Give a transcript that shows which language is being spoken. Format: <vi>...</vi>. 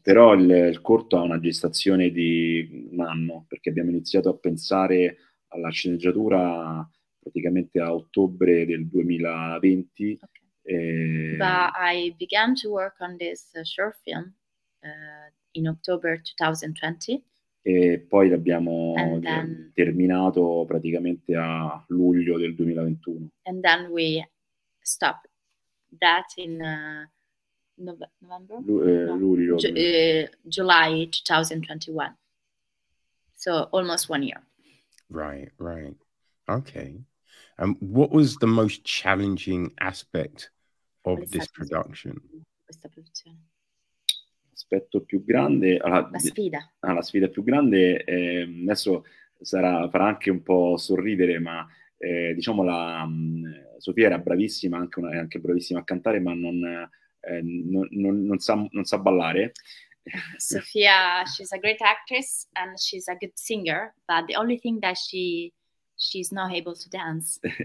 <it>Però il corto ha una gestazione di un anno, perché abbiamo iniziato a pensare alla sceneggiatura praticamente a ottobre del 2020.</it> <en>But I began to work on this short film in October 2020.</en> <it>E poi l'abbiamo</it> <en>And then</en> <it>terminato praticamente a luglio del 2021.</it> <en>we stop that in November, no,</en> <it>Luglio 2021.</it> <en>July 2021. So almost 1 year. Right. Okay. And what was the most challenging aspect of this production?</en> <it>Questa produzione. L'aspetto più grande, La sfida. la sfida più grande, adesso farà anche un po' sorridere, ma diciamo Sofia era bravissima, è anche bravissima a cantare, ma non sa ballare.</it> <en>Sofia, she's a great actress and she's a good singer, but the only thing that she's not able to dance.</en>